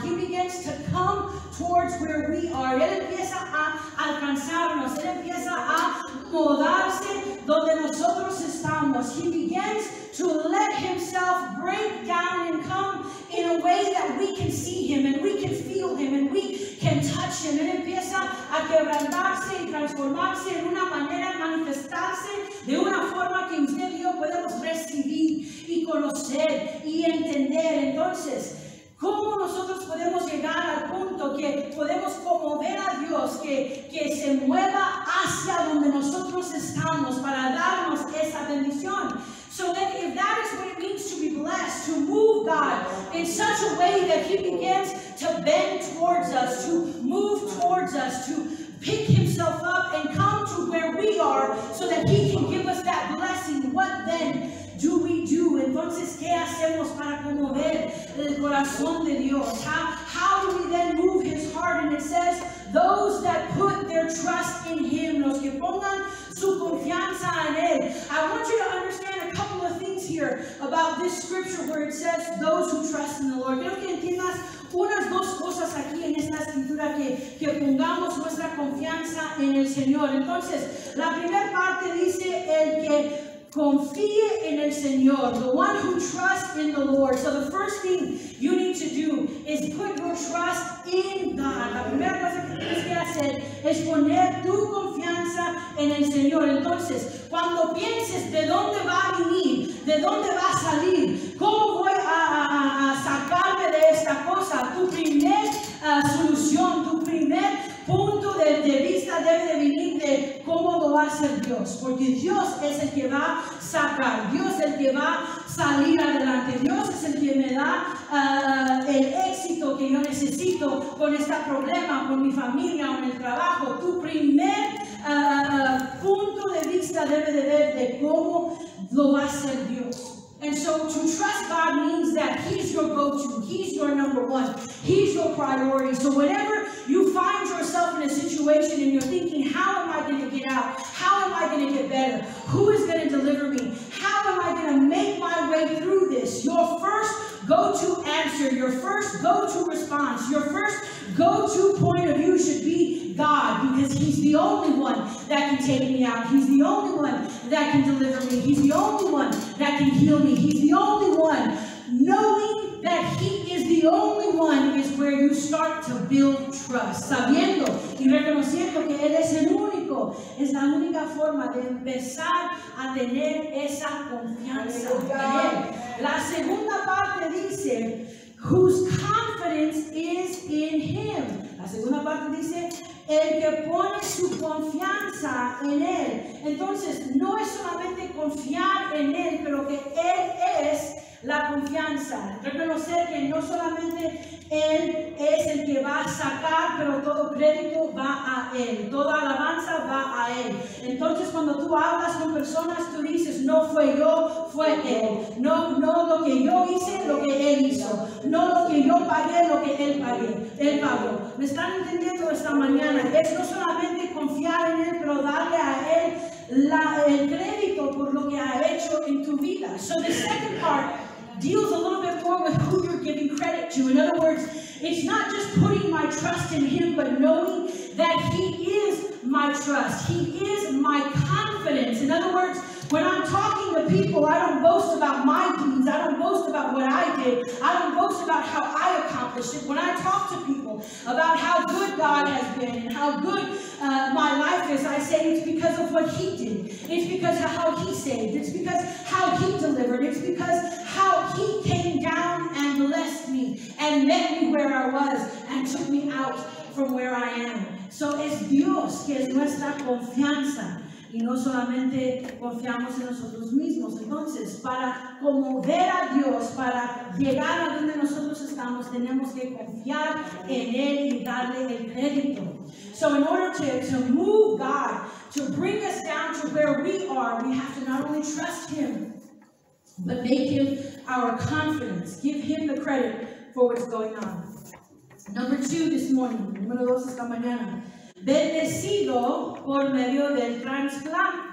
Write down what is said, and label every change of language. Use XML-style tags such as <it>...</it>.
<en>He begins to come towards where we are.</en> <es>Él empieza a alcanzarnos. Él empieza a mudarse donde nosotros estamos.</es> <en>He begins to let Himself break down and come in a way that we can see Him and we can feel Him and we can touch Him.</en> <es>Él empieza a quebrantarse y transformarse en una manera, manifestarse de una forma que usted y yo podemos recibir y conocer y entender. Entonces, ¿cómo nosotros podemos llegar al punto que podemos como ver a Dios que se mueva hacia donde nosotros estamos para darnos esa bendición?</es> <en>So that if that is what it means to be blessed, to move God in such a way that He begins to bend towards us, to move towards us, to pick Himself up and come to where we are so that He can give us that blessing, what then do we do?</en> <es>Entonces, ¿qué hacemos para conmover el corazón de Dios?</es> <en>How do we then move His heart? And it says, those that put their trust in Him,</en> <es>los que pongan su confianza en Él.</es> <en>I want you to understand a couple of things here about this scripture where it says, those who trust in the Lord.</en> <es>Quiero que entiendas unas dos cosas aquí en esta escritura que pongamos nuestra confianza en el Señor. Entonces, la primera parte dice, el que confíe en el Señor,</es> <en>the one who trusts in the Lord. So the first thing you need to do is put your trust in God.</en> <es>La primera cosa que tienes que hacer es poner tu confianza en el Señor. Entonces, cuando pienses de dónde va a venir, de dónde va a salir, cómo voy a sacarme de esta cosa, tu primer solución, tu primer punto de vista debe de venir de cómo lo va a hacer Dios, porque Dios es el que va a sacar, Dios es el que va a salir adelante, Dios es el que me da el éxito que yo necesito con este problema, con mi familia o en el trabajo. Tu primer punto de vista debe de ver de cómo lo va a hacer Dios.</es> <en>And so to trust God means that He's your go-to, He's your number one, He's your priority. So whenever you find yourself in a situation and you're thinking, how am I going to get out? How am I going to get better? Who is going to deliver me? How am I going to make my way through this? Your first go-to answer, your first go-to response, your first go-to point of view should be God, because He's the only one that can take me out. He's the only one that can deliver me. He's the only one that can heal me. He's the only one. Knowing that He is the only one is where you start to build trust.</en> <es>Sabiendo y reconociendo que Él es el único, es la única forma de empezar a tener esa confianza en Él. La segunda parte dice,</es> <en>whose confidence is in Him.</en> <es>La segunda parte dice, el que pone su confianza en Él. Entonces, no es solamente confiar en Él, pero que Él es la confianza. Reconocer que no solamente Él es el que va a sacar, pero todo crédito va a Él. Toda alabanza va a Él. Entonces, cuando tú hablas con personas, tú dices, no fue yo, fue Él. No, no lo que yo hice, lo que Él hizo. No lo que yo pagué, lo que Él pagué. Él pagó. ¿Me están entendiendo esta mañana? Es no solamente confiar en Él, pero darle a Él el crédito por lo que ha hecho en tu vida.</es> <en>So the second part deals a little bit more with who you're giving credit to. In other words, it's not just putting my trust in Him, but knowing that He is my trust. He is my confidence. In other words, when I'm talking to people, I don't boast about my deeds. I don't boast about about what I did. I don't boast about how I accomplished it. When I talk to people about how good God has been and how good my life is, I say it's because of what he did. It's because of how he saved. It's because how he delivered. It's because how he came down and blessed me and met me where I was and took me out from where I am.</en> <es>So es Dios que es nuestra confianza. Y no solamente confiamos en nosotros mismos. Entonces, para conmover a Dios, para llegar a donde nosotros estamos, tenemos que confiar en Él y darle el crédito.</es> <en>So in order to move God, to bring us down to where we are, we have to not only trust Him, but make Him our confidence. Give Him the credit for what's going on. Number two this morning,</en> <es>número dos esta mañana. Bendecido por medio del transplante.</es>